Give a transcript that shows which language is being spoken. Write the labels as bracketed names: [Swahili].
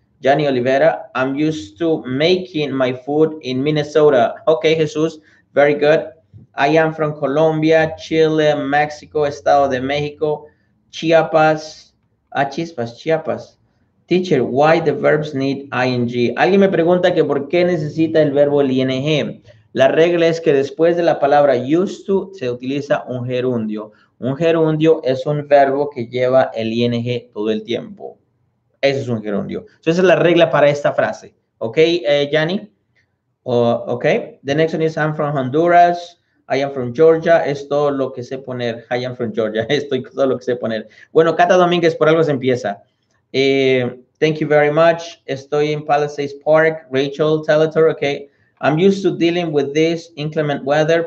[English] Gianni Oliveira, I'm used to making my food in Minnesota. Okay, Jesus, very good. I am from Colombia, Chile, Mexico, Estado de México, Chiapas. [Spanish] Ah, Chispas, Chiapas. [English] Teacher, why the verbs need ing? [Spanish] Alguien me pregunta que por qué necesita el verbo el ing. La regla es que después de la palabra used to se utiliza un gerundio. Un gerundio es un verbo que lleva el ing todo el tiempo. Ese es un gerundio. Entonces, esa es la regla para esta frase. ¿Ok, Gianni? ¿Ok? [English] The next one is I'm from Honduras. I am from Georgia. [Spanish] Es todo lo que sé poner. [English] I am from Georgia. [Spanish] Estoy todo lo que sé poner. Bueno, Cata Domínguez, por algo se empieza. [English] Thank you very much. [Spanish] Estoy en Palisades Park. Rachel Teletor, ¿ok? [English] I'm used to dealing with this inclement weather.